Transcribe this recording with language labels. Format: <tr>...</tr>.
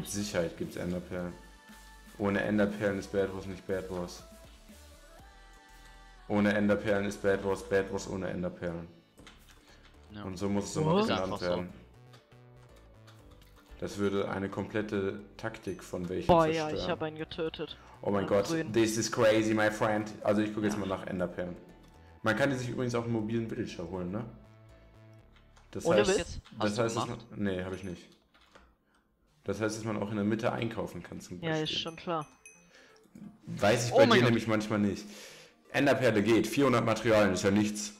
<de>Mit Sicherheit gibt es Enderperlen. Ohne Enderperlen ist Bad Wars nicht Bad Wars. Ohne Enderperlen ist Bad Wars Bad Wars ohne Enderperlen. Ja. Und so muss es immer genannt werden. Das würde eine komplette Taktik von welchen zerstören. Boah, ja, ich habe einen getötet. Oh mein Gott,</de> <en>this is crazy, my friend.</en> <de>Also ich gucke jetzt mal nach Enderperlen. Man kann die sich übrigens auch im mobilen Villager holen, ne? Das heißt, nee, habe ich nicht. Das heißt, dass man auch in der Mitte einkaufen kann zum Beispiel. Ja, ist schon klar. Weiß ich bei dir nämlich manchmal nicht. Enderperle geht, 400 Materialien ist ja nichts.</de>